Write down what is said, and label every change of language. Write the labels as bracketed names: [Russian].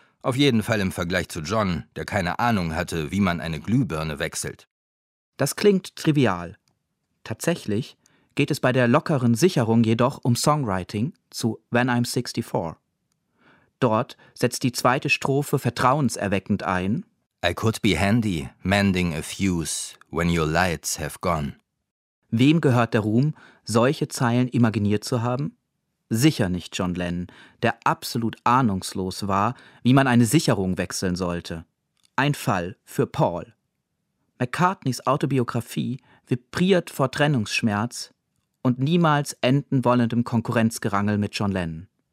[German] Auf jeden Fall im Vergleich zu John, der keine Ahnung hatte, wie man eine Glühbirne wechselt. Das klingt trivial. Tatsächlich geht es bei der lockeren Sicherung jedoch um Songwriting zu When I'm 64. Dort setzt die zweite Strophe vertrauenserweckend ein. [English] I could be handy mending a fuse when your lights have gone. [German] Wem gehört der Ruhm, solche Zeilen imaginiert zu haben? Sicher nicht John Lennon, der absolut ahnungslos war, wie man eine Sicherung wechseln sollte. Ein Fall für Paul. McCartneys Autobiografie vibriert vor Trennungsschmerz und niemals enden wollendem Konkurrenzgerangel mit John Lennon.